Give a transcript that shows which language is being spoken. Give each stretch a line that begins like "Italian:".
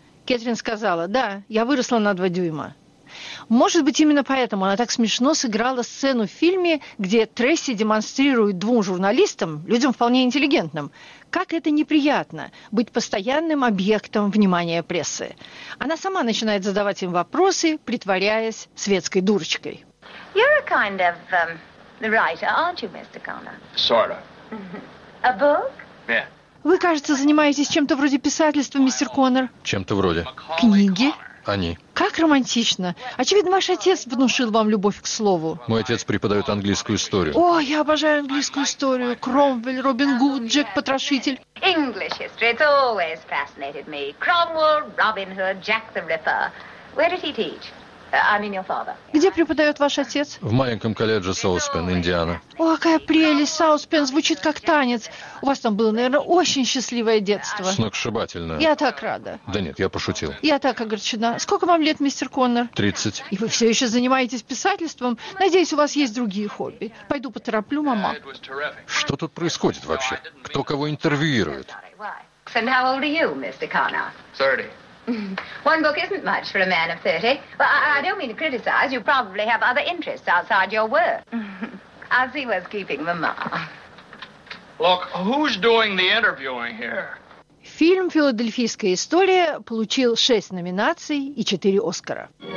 Russian: Кэтрин сказала: «Да, я выросла на 2 дюйма». Может быть, именно поэтому она так смешно сыграла сцену в фильме, где Трэси демонстрирует двум журналистам, людям вполне интеллигентным, как это неприятно – быть постоянным объектом внимания прессы. Она сама начинает задавать им вопросы, притворяясь светской дурочкой.
English: You're a kind of writer, aren't you, Mr. Connor? Sort of. A book? Yeah.
Russian: Вы, кажется, занимаетесь чем-то вроде писательства, мистер Коннор. Чем-то вроде. Книги? Они. Как романтично. Очевидно, ваш отец внушил вам любовь к слову. Мой отец преподает английскую историю. О, я обожаю английскую историю. Кромвель, Робин Гуд, Джек-потрошитель. English history has always fascinated me. Cromwell, Robin Hood, Jack the Ripper. Where did he teach? I mean your father. Где преподает ваш отец? В маленьком колледже Соуспен, Индиана. О, какая прелесть. Соуспен звучит как танец. У вас там было, наверное, очень счастливое детство. Сногсшибательное. Я так рада. Да нет, я пошутил. Я так огорчена. Сколько вам лет, мистер Коннор? 30. И вы все еще занимаетесь писательством? Надеюсь, у вас есть другие хобби. Пойду потороплю мама. Что тут происходит вообще? Кто кого интервьюирует?
English: And how old are you, мистер Коннор? 30. One book isn't much for a man of 30. Well, I don't mean to criticize. You probably have other interests outside your work. I'll see what's keeping Mama. Look, who's doing the interviewing here?
Russian: Фильм «Филадельфийская история» получил 6 номинаций и 4 Оскара.